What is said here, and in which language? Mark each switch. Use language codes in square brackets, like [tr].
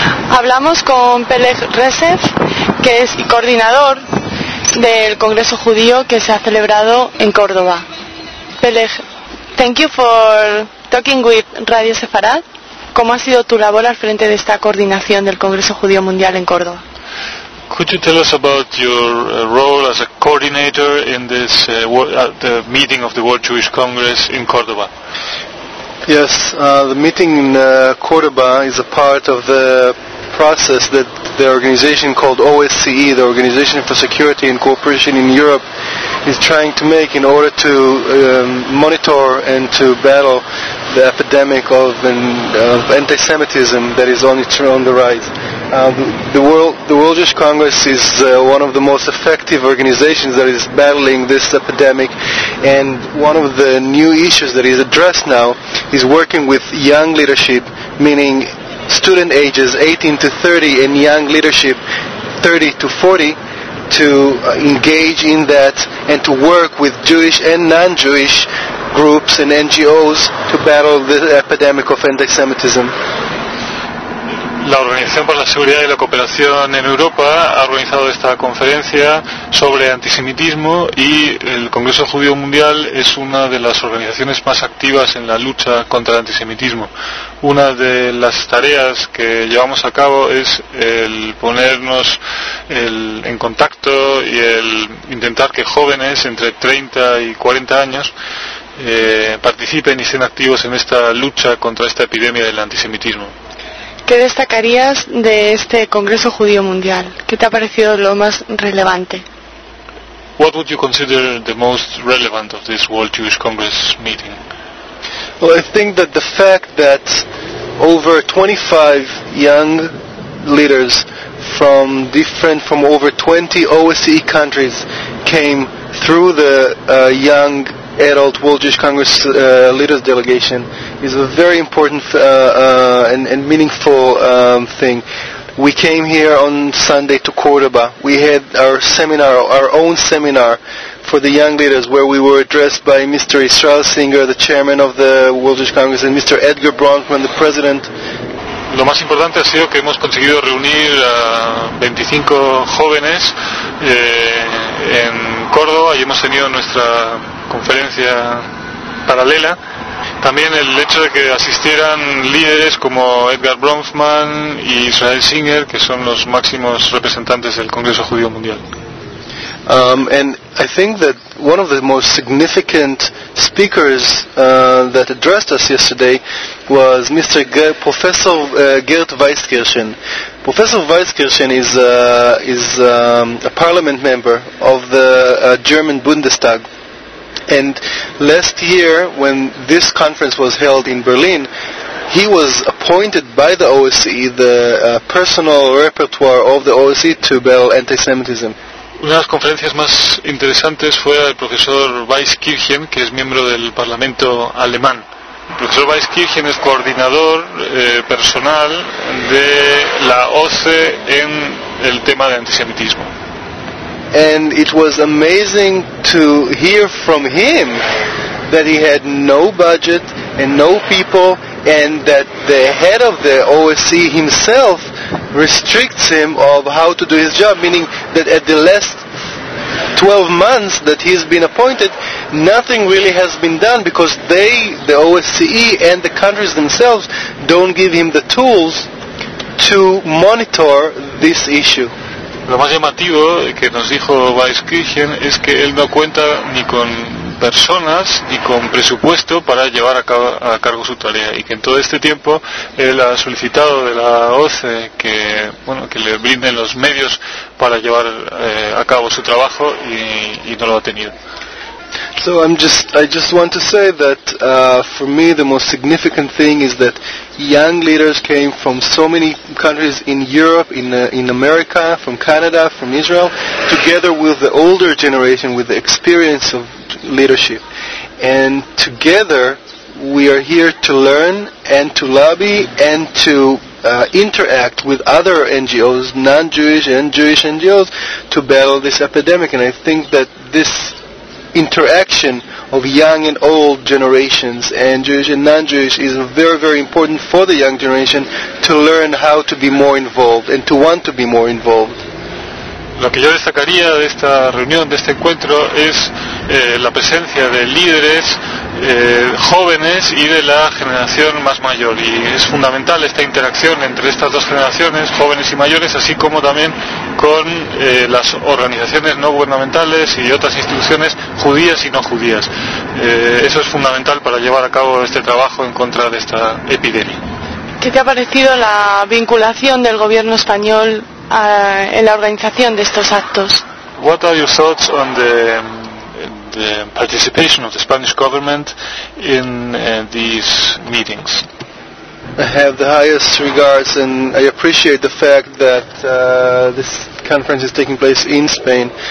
[es] Hablamos con Peleg Reshef, que es coordinador del Congreso Judío que se ha celebrado en Córdoba. [en] Peleg, thank you for talking with Radio Sefarad. [es] ¿Cómo ha sido tu labor al frente de esta coordinación del Congreso Judío Mundial en Córdoba? [en] Could you tell us about your role as a coordinator in this the meeting of the World Jewish Congress in Córdoba? Yes, the meeting in Córdoba is a part of the process that the organization called OSCE, the Organization for Security and Cooperation in Europe, is trying to make in order to monitor and to battle the epidemic of anti-Semitism that is on the rise. The World Jewish Congress is one of the most effective organizations that is battling this epidemic, and one of the new issues that is addressed now is working with young leadership, meaning student ages 18 to 30 and young leadership 30 to 40, to engage in that and to work with Jewish and non-Jewish groups and NGOs to battle the epidemic of anti-Semitism. [es] La Organización para la Seguridad y la Cooperación en Europa ha organizado esta conferencia sobre antisemitismo y el Congreso Judío Mundial es una de las organizaciones más activas en la lucha contra el antisemitismo. Una de las tareas que llevamos a cabo es el ponernos en contacto y el intentar que jóvenes entre 30 y 40 años participen y sean activos en esta lucha contra esta epidemia del antisemitismo. ¿Qué destacarías de este Congreso Judío Mundial? ¿Qué te ha parecido lo más relevante? [en] What would you consider the most relevant of this World Jewish Congress meeting? Well, I think that the fact that over 25 young leaders from over 20 OSCE countries came through the young adult World Jewish Congress leaders delegation is a very important and meaningful thing. We came here on Sunday to Córdoba. We had our own seminar for the young leaders, where we were addressed by Mr. Israel Singer, the chairman of the World Jewish Congress, and Mr. Edgar Bronfman, the president. [es] Lo más importante ha sido que hemos conseguido reunir a 25 jóvenes en Córdoba y hemos tenido nuestra conferencia paralela. También el hecho de que asistieran líderes como Edgar Bronfman y Israel Singer, que son los máximos representantes del Congreso Judío Mundial. [en] And I think that one of the most significant speakers that addressed us yesterday was Professor Gert Weisskirchen. Professor Weisskirchen is a parliament member of the German Bundestag. And last year, when this conference was held in Berlin, he was appointed by the OSCE, the personal repertoire of the OSCE, to battle anti-Semitism. [es] Una de las conferencias más interesantes fue el profesor Weisskirchen, que es miembro del Parlamento alemán. El profesor Weisskirchen es coordinador personal de la OSCE en el tema de antisemitismo. [en] And it was amazing to hear from him that he had no budget and no people, and that the head of the OSCE himself restricts him of how to do his job, meaning that at the last 12 months that he's been appointed, nothing really has been done because they, the OSCE and the countries themselves, don't give him the tools to monitor this issue. [es] Lo más llamativo que nos dijo Weisskirchen es que él no cuenta ni con personas y con presupuesto para llevar a cargo su tarea, y que en todo este tiempo él ha solicitado de la OSCE que le brinden los medios para llevar a cabo su trabajo y no lo ha tenido. [en] So I just want to say that for me the most significant thing is that young leaders came from so many countries in Europe, in America, from Canada, from Israel, together with the older generation with the experience of leadership, and together we are here to learn and to lobby and to interact with other NGOs, non-Jewish and Jewish NGOs, to battle this epidemic. And I think that this interaction of young and old generations, and Jewish and non-Jewish is very, very important for the young generation to learn how to be more involved and to want to be more involved. [es] Lo que yo destacaría de esta reunión, de este encuentro, es la presencia de líderes jóvenes y de la generación más mayor. Y es fundamental esta interacción entre estas dos generaciones, jóvenes y mayores, así como también con las organizaciones no gubernamentales y otras instituciones judías y no judías. Eso es fundamental para llevar a cabo este trabajo en contra de esta epidemia. ¿Qué te ha parecido la vinculación del gobierno español en la organización de estos actos? [en] What are your thoughts on the participation of the Spanish government in these meetings? I have the highest regards and I appreciate the fact that this conference is taking place in Spain.